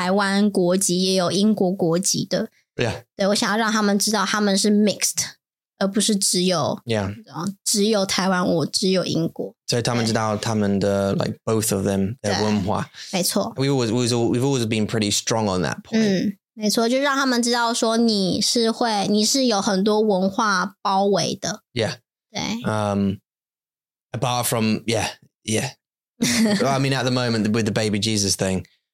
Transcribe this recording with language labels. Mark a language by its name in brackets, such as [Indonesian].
[Chinese] 我想要买国旗的那个reason的理由是因为我想要让我的孩子,我们的孩子知道他们是来自两个国家,他们是有台湾国籍也有英国国籍的。 [English] Yeah. [Chinese] 对,我想要让他们知道他们是mixed, 而不是只有台湾,我只有英国。所以他们知道他们的, [English] like both of them, their [Chinese] 文化。没错。 [English] We've always been pretty strong on that point. [Chinese] 没错,就让他们知道说你是有很多文化包围的。 [English] Yeah. [Chinese] 对。 [English] Apart from, yeah, yeah. I mean, at the moment, with the baby Jesus thing.